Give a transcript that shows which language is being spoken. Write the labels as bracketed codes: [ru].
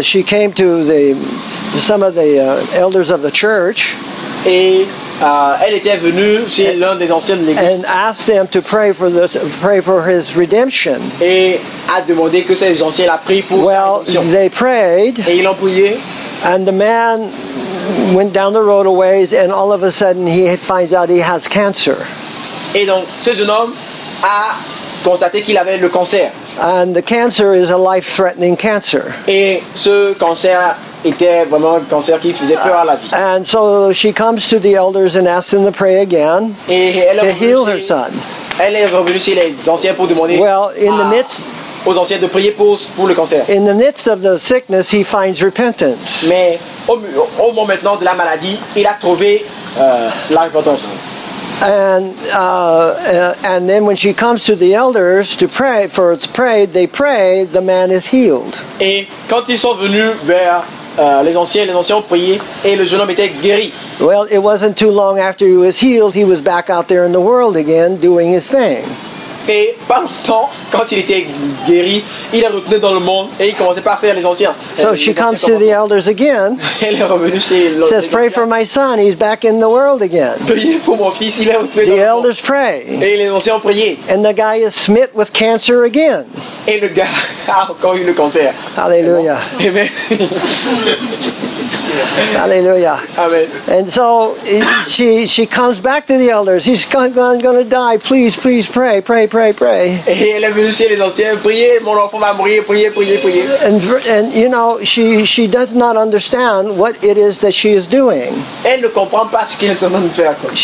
[en] She came to some of the elders of the church. [fr] Et elle était venue chez l'un des anciens de l'église. [en] And asked them to pray for his redemption. [fr] Et a demandé que ces anciens la prient pour [en] well, [fr] sa rédemption. [en] Well, they prayed. [fr] Et ils l'ont prié. [en] And the man went down the road a ways, and all of a sudden he finds out he has cancer. [fr] Et donc ce jeune homme a constaté qu'il avait le cancer. [en] And the cancer is a life-threatening cancer. [fr] Et ce cancer était vraiment un cancer qui faisait peur à la vie. [en] And so she comes to the elders and asks them to pray again to heal her son. [fr] Elle est revenue chez les anciens pour demander aux anciens de prier pour le cancer. [en] In the midst of the sickness, he finds repentance. [fr] Mais au moment maintenant de la maladie, il a trouvé la repentance. [en] And then when she comes to the elders to pray, the man is healed. [fr] Et quand ils sont venus vers les anciens ont prié et le jeune homme était guéri. [en] Well, it wasn't too long after he was healed, he was back out there in the world again doing his thing. [fr] Et par ce temps, quand il était guéri, il est retourné dans le monde et il commençait pas à faire les anciens. [en] So she comes to the elders again. [fr] Elle est revenue chez les anciens. [en] Says, pray for my son. He's back in the world again. [fr] Priez pour mon fils. Il est retourné dans le monde. [en] The elders pray. [fr] Et les anciens ont prié. [en] And the guy is smitten with cancer again. [fr] et le gars a encore eu le cancer. Alléluia. Amen. Alléluia. Amen. [en] And so she comes back to the elders. He's going to die. Please, please pray. [fr] Et elle vient chez les anciens. Priez, mon enfant va mourir. Priez. [en] And you know, she does not understand what it is that she is doing. [fr] Elle ne comprend pas ce qu'elle est en train de faire.